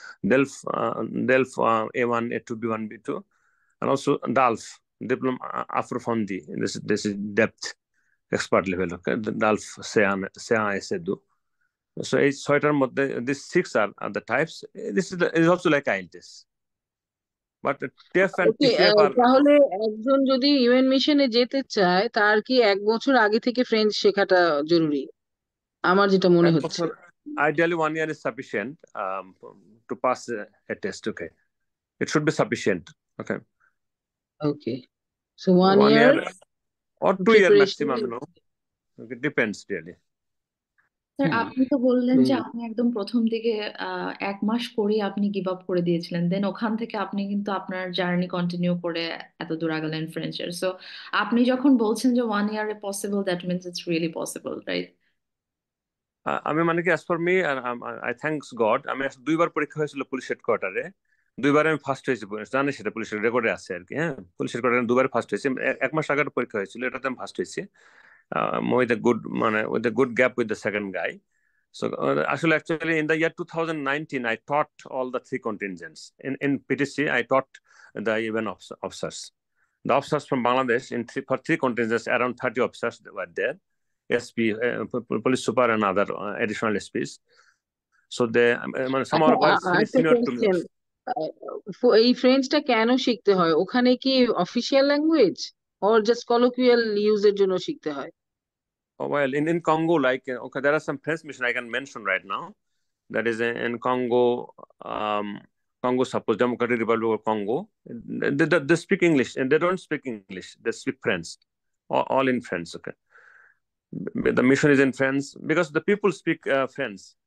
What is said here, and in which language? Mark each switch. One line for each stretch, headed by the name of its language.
English: DALF A1, A2, B1, B2, and also DALF, Diplôme Afrofondi, this is depth expert level, okay? DALF C1, C2. So these six are the types. This is also like IELTS. But TF and TF are...
Bangla: তাহলে একজন যদি UN মিশনে যেতে চায় তার কি এক বছর আগে থেকে ফ্রেঞ্চ শেখাটা জরুরি আমার যেটা মনে হচ্ছে
English: ideally 1 year is sufficient to pass a test okay it should be sufficient okay okay so 1 year or 2 year maximum no okay depends really
Bangla: sir আপনি তো বললেন যে আপনি একদম প্রথম দিকে এক মাস পরেই আপনি গিভ আপ করে দিয়েছিলেন, দেন ওখান থেকে আপনি কিন্তু আপনার জার্নি কন্টিনিউ করে এত দূর আগালেন ফ্রেঞ্চের।
English: so
Bangla: আপনি যখন বলছেন যে
English: 1 year a possible, that means it's really possible, right?
Bangla: আমি মানে কি,
English: as for me, I thanks God,
Bangla: আমি দুইবার পরীক্ষা হয়েছিল পুলিশ হেডকোয়ার্টারে, দুইবার আমি ফার্স্ট হয়েছি, জানি সেটা পুলিশের রেকর্ডে আছে আর কি। হ্যাঁ, পুলিশ হেডকোয়ার্টারে দুবার ফার্স্ট হয়েছি, এক মাস আগে পরীক্ষা হয়েছিল, এটাতে আমি ফার্স্ট হয়েছি।
English: With a good gap with the second guy. So actually in the year 2019, I taught all the three contingents. In PTC, I taught the UN officers. The officers from Bangladesh, for three contingents, around 30 officers were there. SP, police super and other additional SPs. So they, some are similar to me.
Bangla: এই ফ্রেঞ্চটা কেন শিখতে হয়? ওখানে কি official language or just colloquial ইউজের জন্য শিখতে হয়?
English: Well, in Congo, like, okay, there are some French mission I can mention right now. That is in Congo, suppose Democratic Republic of Congo. They speak English, and they don't speak English. They speak French, all in French. Okay, the mission is in French because the people speak French.